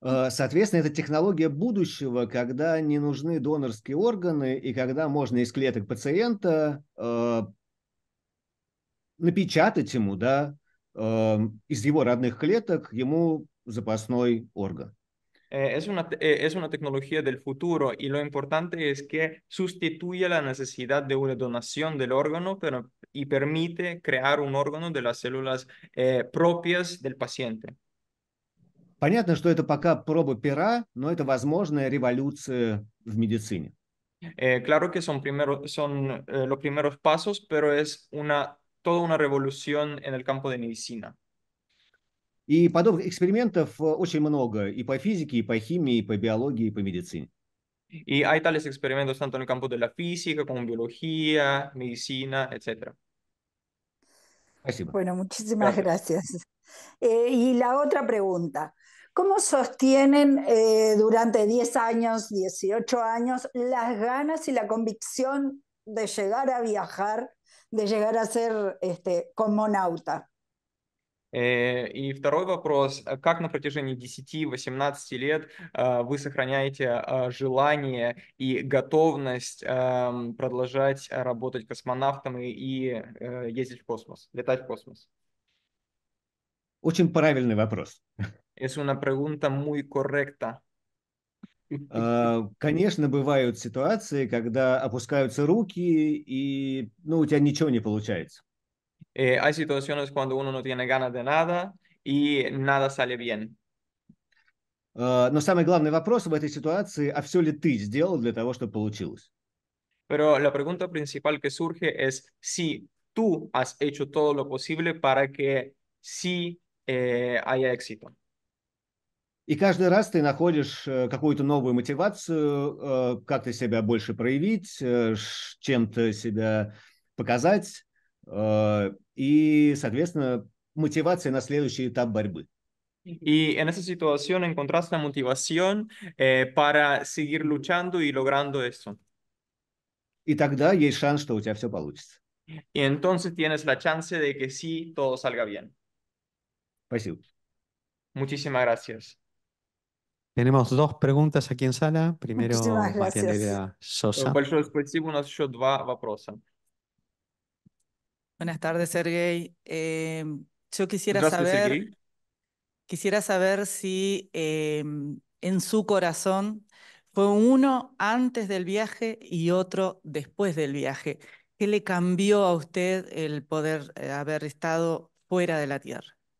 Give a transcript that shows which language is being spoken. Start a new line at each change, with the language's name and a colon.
Russian: Соответственно, это технология будущего, когда не нужны донорские органы и когда можно из клеток пациента напечатать ему, да, из его родных клеток ему запасной орган.
Spanish: Es una tecnología del futuro y lo importante es que sustituye la necesidad de una donación del órgano pero, y permite crear un órgano de las células propias del paciente.
Russian: Понятно, что это пока проба пера, но это возможная революция в медицине.
Spanish: Claro que son los primeros pasos, pero es toda una revolución en el campo de medicina.
Russian: И подобных экспериментов очень много и по физике, и по химии, и по биологии, и по медицине. И
Spanish: hay tales experimentos tanto en el campo de la física como biología, medicina, etc.
Russian: Спасибо.
Spanish: Bueno, muchísimas gracias. Y la otra pregunta. ¿Cómo sostienen durante 10 años, 18 años, las ganas y la convicción de llegar a viajar, de llegar a ser cosmonauta?
Russian: И второй вопрос. Как на протяжении 10-18 лет вы сохраняете желание и готовность продолжать работать космонавтом и ездить в космос, летать в космос? Очень правильный вопрос.
Spanish: Es una pregunta muy correcta.
Russian: Конечно, бывают ситуации, когда опускаются руки, и ну, у тебя ничего не получается.
Spanish: Hay situaciones cuando uno no tiene ganas de nada y nada sale bien.
Russian: Но самый главный вопрос в этой ситуации, а все ли ты сделал для того, чтобы получилось?
Spanish: Pero la pregunta principal que surge es si tú has hecho todo lo posible para que sí haya éxito.
Russian: И каждый раз ты находишь какую-то новую мотивацию, как ты себя больше проявить, чем-то себя показать. И, соответственно, мотивация на следующий этап борьбы. И
Spanish: en esa situación encontrás la motivación para seguir luchando y logrando esto.
Russian: И тогда есть шанс, что у тебя все получится.
Spanish: Y entonces tienes la chance de que sí, todo salga bien.
Russian: Спасибо.
Spanish: Muchísimas gracias. Tenemos dos preguntas aquí en sala. Primero, Matianela Sosa.
Russian: Большое спасибо, у нас еще два вопроса.
Spanish: Buenas tardes, Sergey. Yo quisiera saber si en su corazón fue uno antes del viaje y otro después del viaje. ¿Qué le cambió a usted el poder haber estado fuera de la Tierra?